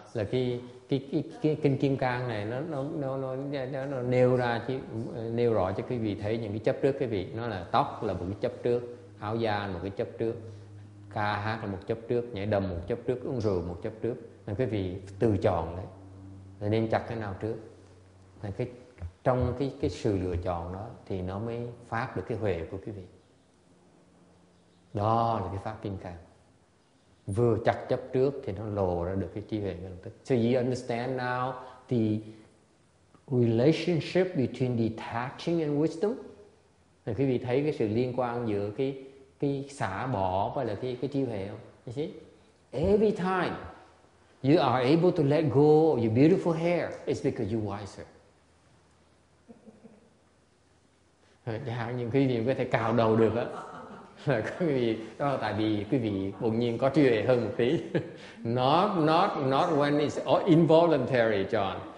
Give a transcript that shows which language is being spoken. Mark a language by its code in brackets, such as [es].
[vi] Là cái kinh kim cang này nó nêu ra chứ nêu rõ cho quý vị thấy những cái chấp trước quý vị, nó là tóc là một cái chấp trước, áo da là một cái chấp trước, ca hát là một chấp trước, nhảy đầm một chấp trước, uống rượu một chấp trước, nên quý vị từ chọn đấy, nên chặt cái nào trước, là cái trong cái sự lựa chọn đó thì nó mới phát được cái huệ của quý vị. Đó là cái pháp kim cang. Vừa chặt chấp trước thì nó lộ ra được cái trí huệ ngay lập tức. [en] So you understand now the relationship between detaching and wisdom? [vi] Thì quý vị thấy cái sự liên quan giữa cái xả bỏ và là cái trí huệ không? [en] You see? Every time you are able to let go of your beautiful hair, it's because you're wiser. [vi] Chẳng những quý vị có thể cào đầu được á, là quý vị đó là tại vì quý vị bỗng nhiên có trí huệ hơn một tí. [en] Not when it's all involuntary, John.